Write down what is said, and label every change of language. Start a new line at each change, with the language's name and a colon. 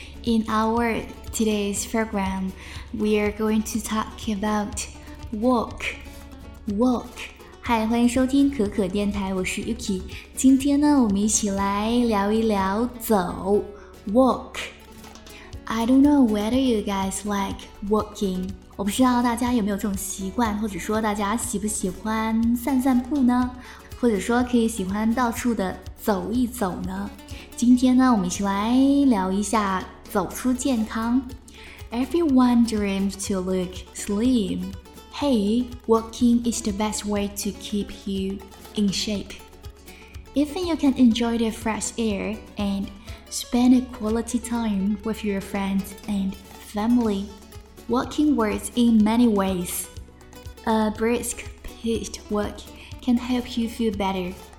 English: In our today's program, we are going to talk about walk. Walk. Hi,
Chinese: 欢迎收听可可电台，我是 Yuki。今天呢，我们一起来聊一聊走 walk.
English: I don't know whether you guys like walking.
Chinese: 我不知道大家有没有这种习惯，或者说大家喜不喜欢散散步呢？或者说可以喜欢到处的走一走呢？今天呢，我们一起来聊一下走出健康。
English: Everyone dreams to look slim. Hey, walking is the best way to keep you in shape. Even you can enjoy the fresh air and spend a quality time with your friends and family. Walking works in many ways. A brisk, paced walk can help you feel better.